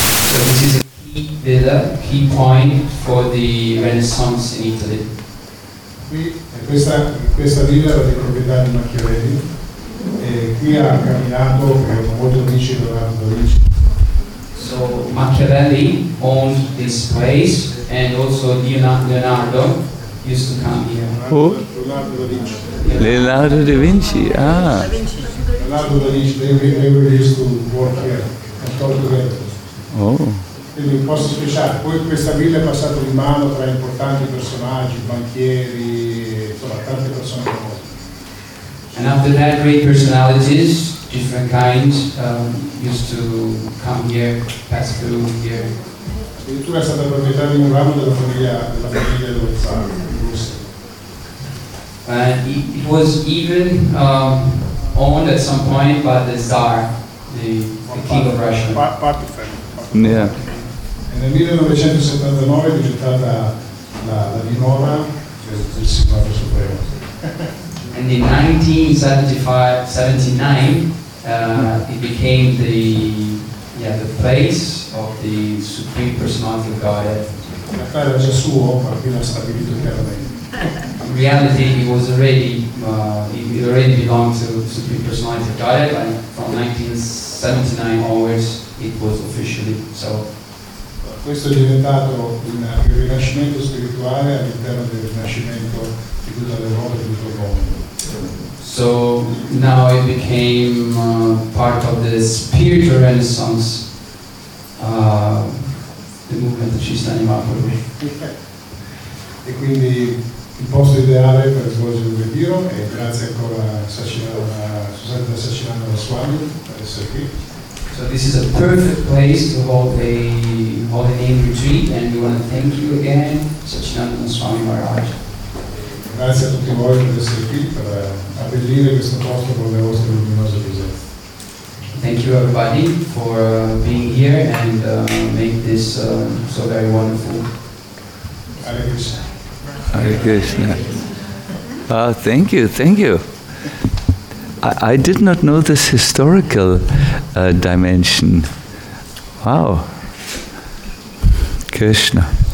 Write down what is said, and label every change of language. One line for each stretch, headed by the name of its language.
English: So this is a key villa, key point for the Renaissance in Italy.
Italian: Qui è questa villa era di proprietà di Machiavelli. E qui ha camminato con molti amici Leonardo da Vinci.
English: So Machiavelli owned this place and also Leonardo used to come here. Who? Leonardo da Vinci. Ah. Leonardo da Vinci. They used to work here and talk together. Oh.
Italian: Quindi un posto speciale. Poi questa villa è passata di mano tra importanti personaggi, banchieri, insomma tante persone famose.
English: And after that, great personalities, different kinds, used to come here, pass through here.
Italian: Addirittura è stata proprietà di un ramo della famiglia dello zar in Russia.
English: It was even owned at some point by the Tsar, the king of Russia. Part of family. Yeah.
Italian: Nel 1979 è diventata la dinora del Signore Supremo.
English: In 1979 it became the place of the Supreme Personality of Godhead.
Italian: La casa era già suo, ma qui l'ha stabilito chiaramente.
English: In reality it was already it already belonged to the Supreme Personality of Godhead, and from 1979 onwards it was officially so.
Italian: Questo è diventato il rinascimento spirituale all'interno del rinascimento di tutta l'Europa e di tutto il mondo.
English: So now it became part of the spiritual renaissance, the movement that she's standing up for me.
Italian: E quindi il posto ideale per svolgere un ritiro, e grazie ancora a Susanna Sacinanda Swami per essere qui.
English: So this is a perfect place to hold a holy name retreat, and we want to thank you again, Sachinanda Swami Maharaj.
Italian: Grazie a tutti voi per essere qui per abbellire questo posto con le vostre luminose presenze.
English: Thank you everybody for being here and make this so very wonderful.
Sanskrit: Hare Krishna.
English: Hare Krishna. Thank you. I did not know this historical dimension. Wow. Krishna.